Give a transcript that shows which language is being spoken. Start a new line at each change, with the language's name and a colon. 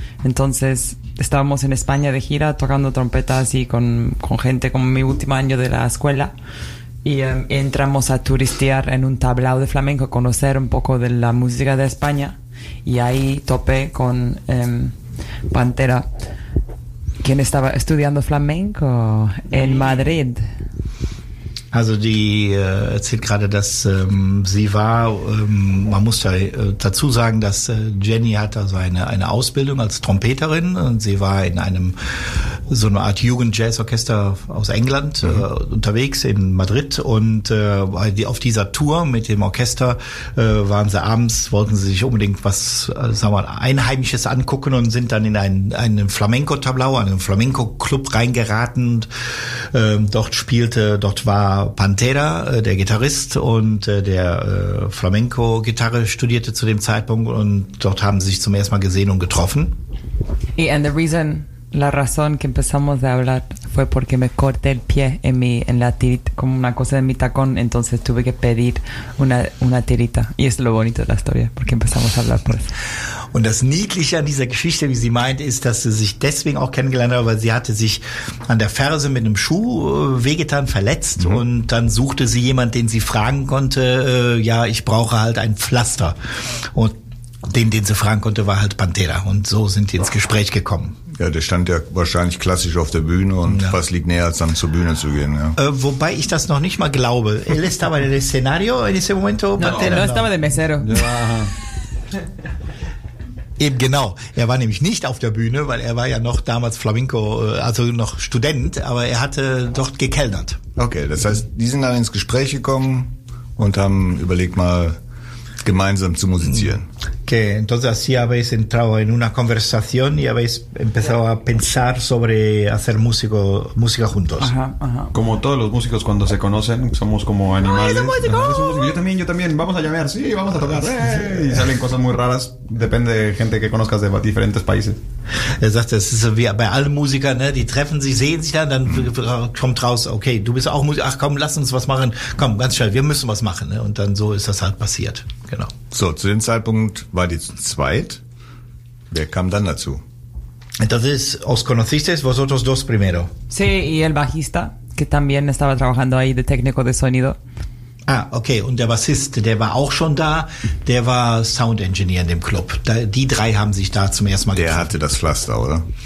Spanish: Entonces estábamos en España de gira tocando trompetas y con gente como mi último año de la escuela. Y entramos a turistear en un tablao de flamenco, conocer un poco de la música de España. Y ahí topé con Pantera, quien estaba estudiando flamenco en Madrid.
German: Also die erzählt gerade, dass sie war, man muss dazu sagen, dass Jenny hat also eine Ausbildung als Trompeterin und sie war in einem so eine Art Jugend-Jazz-Orchester aus England unterwegs in Madrid und auf dieser Tour mit dem Orchester waren sie abends, wollten sie sich unbedingt was, sagen wir mal, Einheimisches angucken und sind dann in einen Flamenco-Tablau, einen Flamenco-Club reingeraten und dort war Pantera, der Gitarrist und der Flamenco-Gitarre studierte zu dem Zeitpunkt und dort haben sie sich zum ersten Mal gesehen und getroffen.
English: Yeah, and the reason,
Spanish: la razón que empezamos a hablar fue porque me corté el pie como una cosa de mi tacón, entonces tuve que pedir una tirita. Y es lo bonito de la historia, porque empezamos a hablar por eso.
German: Und das Niedliche an dieser Geschichte, wie sie meint, ist, dass sie sich deswegen auch kennengelernt hat, weil sie hatte sich an der Ferse mit einem Schuh wehgetan, verletzt. Mhm. Und dann suchte sie jemanden, den sie fragen konnte, ja, ich brauche halt ein Pflaster. Und den sie fragen konnte, war halt Pantera. Und so sind die ins Gespräch gekommen. Ja, der stand ja wahrscheinlich klassisch auf der Bühne und was liegt näher, als dann zur Bühne zu gehen, ja. Wobei ich das noch nicht mal glaube.
Spanish: Él estaba en el escenario en ese momento, Pantera. No, estaba de mesero.
German: Eben genau. Er war nämlich nicht auf der Bühne, weil er war ja noch damals Flamenco, also noch Student, aber er hatte dort gekellnert. Okay, das heißt, die sind dann ins Gespräch gekommen und haben überlegt mal, gemeinsam zu musizieren.
Spanish: Okay, entonces así habéis entrado en una conversación y habéis empezado a pensar sobre hacer música juntos. Ajá, ajá. Como todos los músicos cuando se conocen, somos como animales. Yo también, vamos a llamear, sí, vamos a tocar. Y salen cosas muy raras, depende de gente que conozcas de diferentes países.
German: Er sagt, das ist wie bei allen Musikern, ne? Die treffen sich, sehen sich dann, kommt raus, okay, du bist auch Musiker, ach komm, lass uns was machen, komm, ganz schnell, wir müssen was machen. Ne? Und dann so ist das halt passiert, genau. So, zu dem Zeitpunkt war die zu zweit, wer kam dann dazu? Das ist,
Spanish: os conocisteis vosotros dos primero. Sí, y el bajista, que también estaba trabajando ahí de técnico de sonido.
German: Ah, okay, und der Bassist, der war auch schon da, der war Sound Engineer in dem Club. Da, die drei haben sich da zum ersten Mal getroffen. Der hatte das Pflaster, oder?